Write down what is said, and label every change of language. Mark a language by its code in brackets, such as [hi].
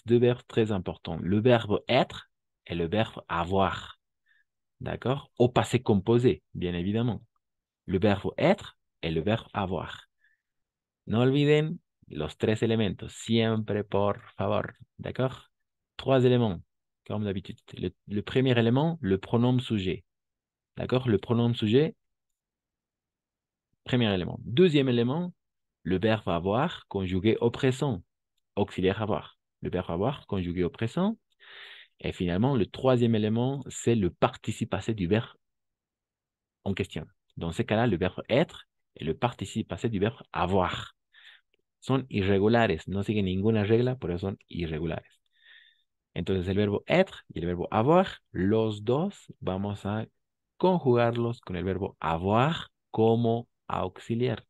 [fr] Deux verbes très importants. Le verbe être et le verbe avoir. D'accord? Au passé composé, bien évidemment. Le verbe être et le verbe avoir. [es] No olviden los tres elementos. Siempre, por favor. [fr] D'accord? Trois éléments, comme d'habitude. Le premier élément, le pronom sujet. D'accord? Le pronom sujet, premier élément. Deuxième élément, le verbe avoir conjugué au présent, auxiliaire avoir. Le verbe avoir conjugué au présent. Et finalement, le troisième élément, c'est le participe passé du verbe en question. Dans ce cas-là, le verbe être et le participe passé du verbe avoir sont irregulares. [es] No siguen ninguna regla, por eso son irregulares. Entonces, el verbo être y el verbo avoir, los dos, vamos a conjugarlos con el verbo avoir como auxiliar.